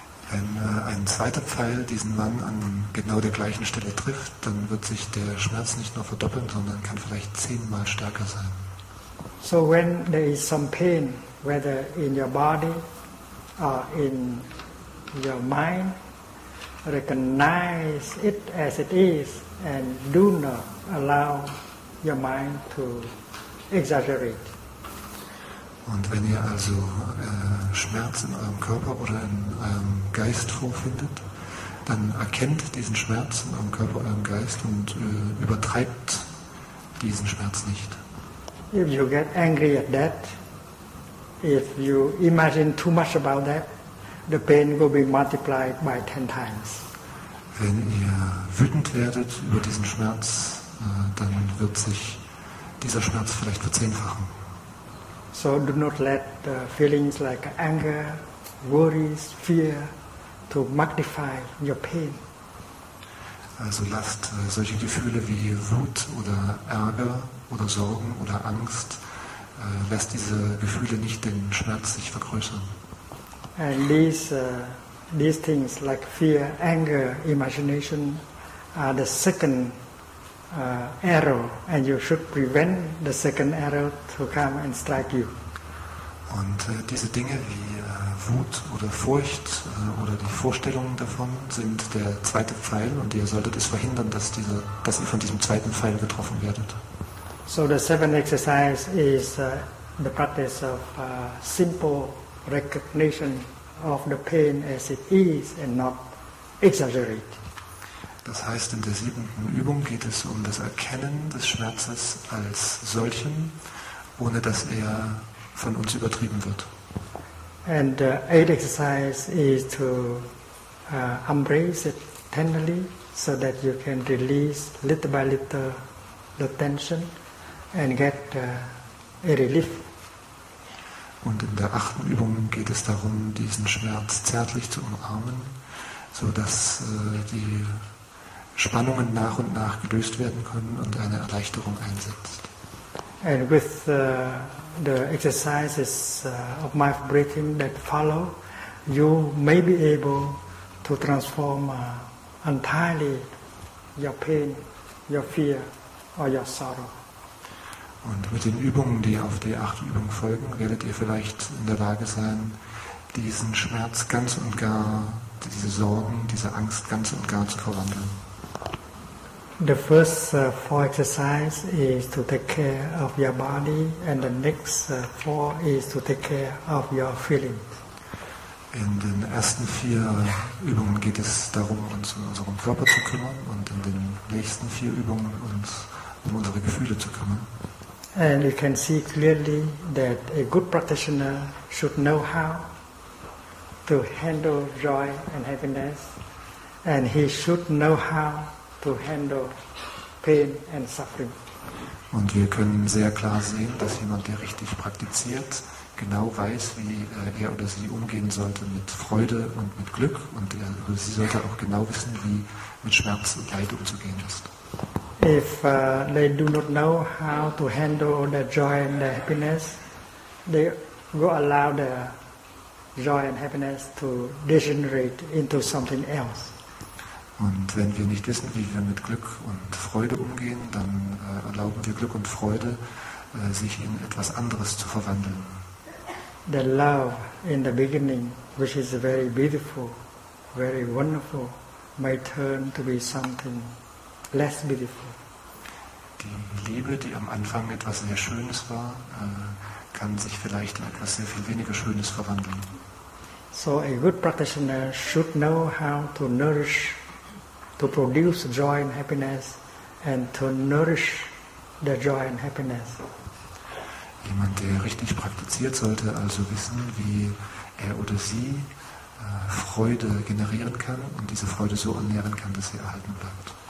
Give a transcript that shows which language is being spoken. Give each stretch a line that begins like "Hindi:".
German: Wenn ein zweiter Pfeil diesen Mann an genau der gleichen Stelle trifft, dann wird sich der Schmerz nicht nur verdoppeln, sondern kann vielleicht 10-mal stärker sein.
English: So when there is some pain, whether in your body or in your mind, recognize it as it is and do not allow your mind to exaggerate.
German: Und wenn ihr also Schmerz in eurem Körper oder in eurem Geist vorfindet, dann erkennt diesen Schmerz in eurem Körper, eurem Geist und übertreibt diesen Schmerz nicht.
English: If you get angry at that, if you imagine too much about that, the pain will be multiplied by 10 times.
German: Wenn ihr wütend werdet über diesen Schmerz, dann wird sich dieser Schmerz vielleicht verzehnfachen.
English: So do not let the feelings like anger, worries, fear to magnify your pain.
German: Also lasst solche Gefühle wie Wut oder Ärger oder Sorgen oder Angst, lasst diese Gefühle nicht den Schmerz sich vergrößern.
English: And these things like fear, anger, imagination are the second arrow, and you should prevent the second arrow to come and strike you.
German: Und diese Dinge wie Wut oder Furcht oder die Vorstellungen davon sind der zweite Pfeil und ihr solltet es verhindern, dass ihr von diesem zweiten Pfeil getroffen werdet.
English: So the seventh exercise is the practice of simple recognition of the pain as it is and not exaggerate.
German: Das heißt, in der siebten Übung geht es um das Erkennen des Schmerzes als solchen, ohne dass er von uns übertrieben wird.
English: And the eighth exercise is to embrace it tenderly so that you can release little by little the tension and get a relief.
German: Und in der achten Übung geht es darum, diesen Schmerz zärtlich zu umarmen, so dass die Spannungen nach und nach gelöst werden können und eine Erleichterung einsetzt.
English: And with the exercises of mind breathing that follow, you may be able to transform entirely your pain, your fear or your sorrow.
German: Und mit den Übungen, die auf die acht Übungen folgen, werdet ihr vielleicht in der Lage sein, diesen Schmerz ganz und gar, diese Sorgen, diese Angst ganz und gar zu verwandeln.
English: The first four exercises is to take care of your body, and the next four is to take care of your feelings.
German: In den ersten vier Übungen geht es darum, uns um unseren Körper zu kümmern, und in den nächsten vier Übungen uns um unsere Gefühle zu kümmern.
English: And you can see clearly that a good practitioner should know how to handle joy and happiness, and he should know how to handle pain and suffering.
German: Und wir können sehr klar sehen, dass jemand, der richtig praktiziert, genau weiß, wie er oder sie umgehen sollte mit Freude und mit Glück, und er oder sie sollte auch genau wissen, wie mit Schmerz und Leid umzugehen ist.
English: If they do not know how to handle their joy and their happiness, they will allow their joy and happiness to degenerate into something else.
German: Und wenn wir nicht wissen, wie wir mit Glück und Freude umgehen, dann erlauben wir Glück und Freude, sich in etwas anderes zu verwandeln.
English: The love in the beginning, which is very beautiful, very wonderful, may turn to be something less beautiful.
German: Die Liebe, die am Anfang etwas sehr Schönes war, kann sich vielleicht in etwas sehr viel weniger Schönes verwandeln.
English: So a good practitioner should know how to nourish, to produce joy and happiness, and to nourish the joy and happiness.
German: Jemand, der richtig praktiziert, sollte also wissen, wie er oder sie Freude generieren kann und diese Freude so ernähren kann, dass sie erhalten bleibt.